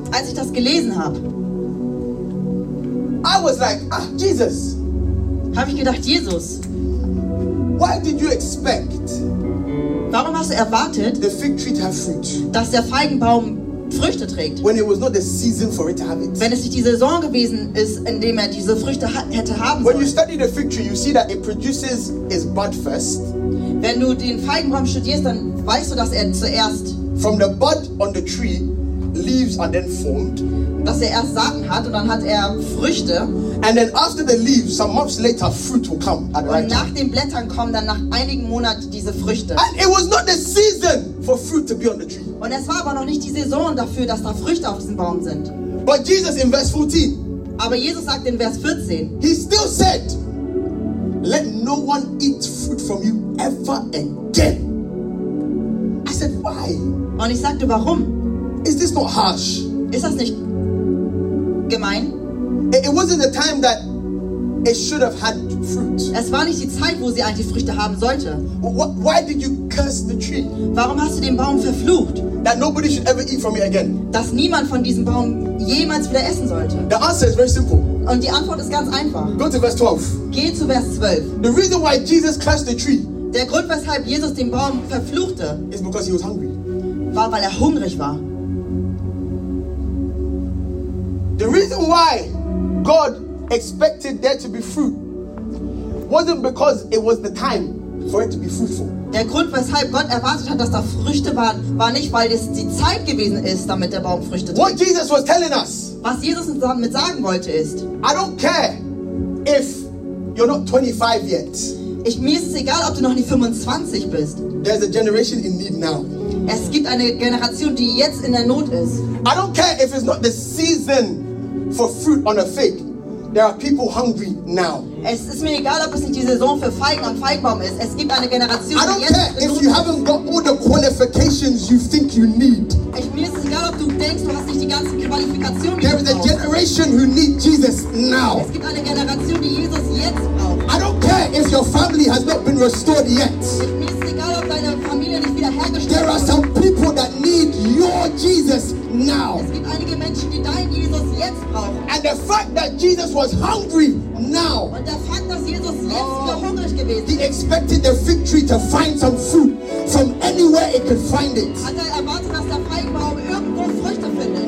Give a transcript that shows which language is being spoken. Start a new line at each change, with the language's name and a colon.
German: als ich das gelesen habe,
English: I was like, Jesus.
German: Habe ich gedacht, Jesus.
English: Why did you expect?
German: Warum hast du erwartet,
English: the fig tree to have fruit?
German: Dass der Feigenbaum Früchte trägt.
English: When it was not the season for it to have it.
German: Wenn es nicht die Saison gewesen ist, in dem er diese Früchte hätte haben sollen.
English: When you study the fig tree, you see that it produces its bud first.
German: Wenn du den Feigenbaum studierst, dann weißt du, dass er zuerst
English: from the bud on the tree, leaves are then formed.
German: Dass er erst Samen hat und dann hat er Früchte.
English: And then after the leaves, some months later, fruit will come. At
German: und
English: right
German: nach
English: time.
German: Den Blättern kommen dann nach einigen Monaten diese Früchte.
English: And it was not the season for fruit to be on the tree.
German: Und es war aber noch nicht die Saison dafür, dass da Früchte auf diesem Baum sind.
English: But Jesus in verse 14.
German: Aber Jesus sagt in Vers 14.
English: He still said, let no one eat fruit from you ever again. I said, why?
German: Und ich sagte, warum?
English: Is this not harsh?
German: Ist das nicht gemein?
English: It wasn't the time that it should have had fruit.
German: Es war nicht die Zeit, wo sie eigentlich Früchte haben sollte.
English: Why did you curse the tree?
German: Warum hast du den Baum verflucht?
English: That nobody should ever eat from it again.
German: Dass niemand von diesem Baum jemals wieder essen sollte.
English: The answer is very simple.
German: Und die Antwort ist ganz einfach.
English: Go to verse 12.
German: Geh zu Vers 12.
English: The reason why Jesus cursed the tree.
German: Der Grund, weshalb Jesus den Baum verfluchte,
English: is because he was hungry.
German: War, weil er hungrig war.
English: The reason why God expected there to be fruit wasn't because it was the time for it to be fruitful.
German: Der Grund, weshalb Gott erwartet hat, dass da Früchte waren, war nicht, weil es die Zeit gewesen ist, damit der Baum Früchte trägt.
English: What Jesus was telling us.
German: Was Jesus uns damit sagen wollte ist.
English: I don't care if you're not 25 yet.
German: Mir ist es egal, ob du noch nicht 25 bist.
English: There's a generation in need now.
German: Es gibt eine Generation, die jetzt in der Not ist.
English: I don't care if it's not the season for fruit on a fig. There are people hungry now.
German: Es ist mir egal, ob es nicht die Saison für Feigen am Feigenbaum ist. Es gibt eine Generation, die jetzt.
English: I don't care if you haven't got all the qualifications you think you need.
German: Mir ist es egal, ob du denkst, du hast nicht die ganzen Qualifikationen.
English: There is a generation who need Jesus now.
German: Es gibt eine Generation, die Jesus jetzt braucht.
English: I don't care if your family has not been restored yet.
German: Mir ist es egal, ob deine Familie nicht wiederhergestellt.
English: There are some people that need your Jesus now.
German: Es gibt einige Menschen, die dein Jesus jetzt brauchen.
English: And the fact that Jesus was hungry now.
German: Und der Fakt, dass Jesus jetzt noch hungrig gewesen.
English: He expected the fig tree to find some fruit from anywhere it could find it.
German: Hat er erwartet, dass der Feigenbaum irgendwo Früchte findet?